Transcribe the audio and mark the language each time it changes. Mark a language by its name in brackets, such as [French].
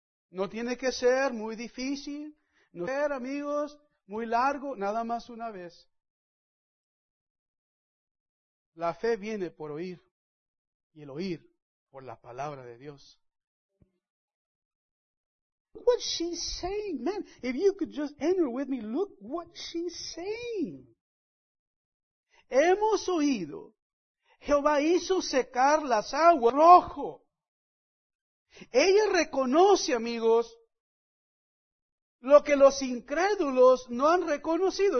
[Spanish] No tiene que ser muy difícil, no tiene que ser, amigos, muy largo, nada más una vez. La fe viene por oír, y el oír por la palabra de Dios. [English] What she's saying, man, if you could just enter with me, look what she's saying. [Spanish] Hemos oído, Jehová hizo secar las aguas, rojo. Ella reconoce, amigos, lo que los incrédulos no han reconocido.